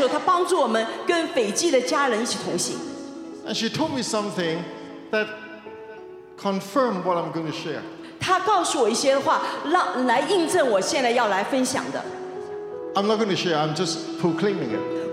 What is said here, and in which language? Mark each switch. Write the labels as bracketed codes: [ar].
[zh] 那她是当我们不在的时候，她帮助我们跟斐济的家人一起同行。 [en] And she told me something that confirmed what I'm going to share. [zh] 她告诉我一些话，来印证我现在要来分享的。 [en] I'm not going to share, I'm just proclaiming it.